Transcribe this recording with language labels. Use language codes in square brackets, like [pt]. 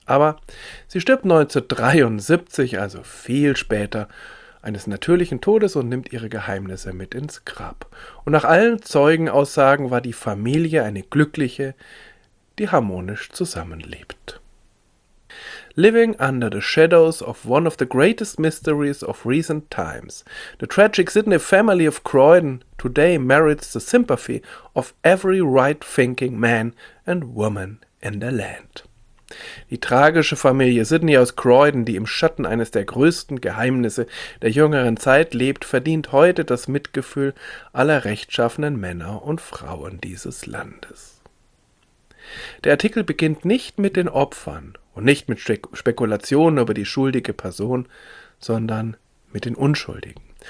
[de] Aber sie stirbt 1973, also viel später, eines natürlichen Todes und nimmt ihre Geheimnisse mit ins Grab. Und nach allen Zeugenaussagen war die Familie eine glückliche, die harmonisch zusammenlebt. [en] Living under the shadows of one of the greatest mysteries of recent times, the tragic Sidney family of Croydon today merits the sympathy of every right-thinking man and woman in the land. [de] Die tragische Familie Sidney aus Croydon, die im Schatten eines der größten Geheimnisse der jüngeren Zeit lebt, verdient heute das Mitgefühl aller rechtschaffenen Männer und Frauen dieses Landes. Der Artikel beginnt nicht mit den Opfern und nicht mit Spekulationen über die schuldige Person, sondern mit den Unschuldigen.